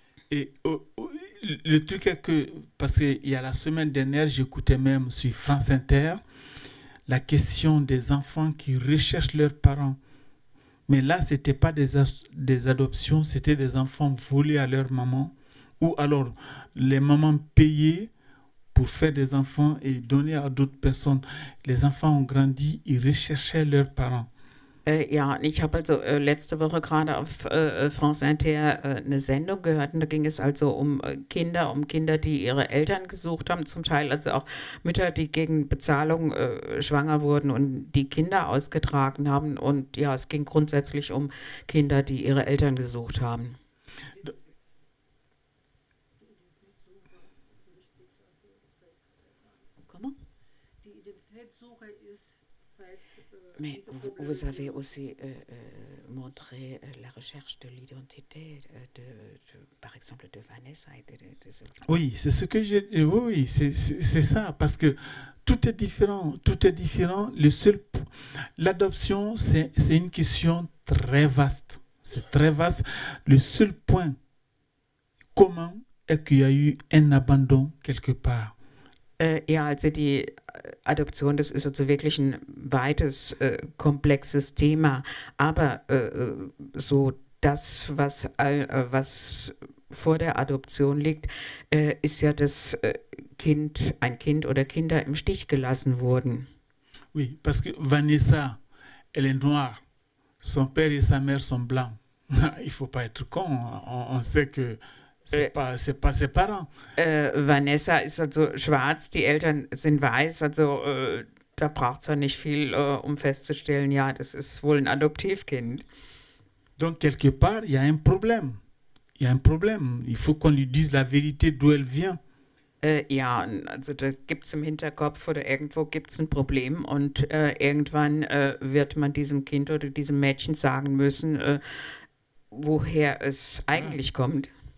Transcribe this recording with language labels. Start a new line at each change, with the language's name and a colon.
French: Le truc est que, parce qu'il y a la semaine dernière, j'écoutais même sur France Inter la question des enfants qui recherchent leurs parents. Mais là, ce n'était pas des adoptions, c'était des enfants volés à leur maman. ou alors les mamans payées pour faire des enfants et donner à d'autres personnes. Les enfants ont grandi, ils recherchaient leurs parents.
German: Ja, ich habe also letzte Woche gerade auf France Inter eine Sendung gehört und da ging es also um Kinder, die ihre Eltern gesucht haben, zum Teil also auch Mütter, die gegen Bezahlung schwanger wurden und die Kinder ausgetragen haben und ja, es ging grundsätzlich um Kinder, die ihre Eltern gesucht haben.
French: Mais vous avez aussi montré la recherche de l'identité de par exemple de Vanessa et de ce... Oui, c'est ce que j'ai dit. Oui, c'est ça, parce que tout est différent. L'adoption, c'est une question très vaste. C'est très vaste. Le seul point commun est qu'il y a eu un abandon quelque part.
German: Ja, also die Adoption, das ist also wirklich ein weites, komplexes Thema. Aber so das, was vor der Adoption liegt, ist ja, dass ein Kind oder Kinder im Stich gelassen wurden.
French: Oui, parce que Vanessa, elle est noire. Son père et sa mère sont blancs. Il ne faut pas être con. On sait que... C'est pas ses parents.
German: Vanessa ist also schwarz, die Eltern sind weiß, also da braucht es ja nicht viel, um festzustellen, ja, das ist wohl ein Adoptivkind.
French: Donc quelque part, il y a un problème. Il y a un problème. Il faut qu'on lui dise la vérité d'où elle vient.
German: Ja, also da gibt es im Hinterkopf oder irgendwo gibt es ein Problem und irgendwann wird man diesem Kind oder diesem Mädchen sagen müssen, woher es eigentlich kommt.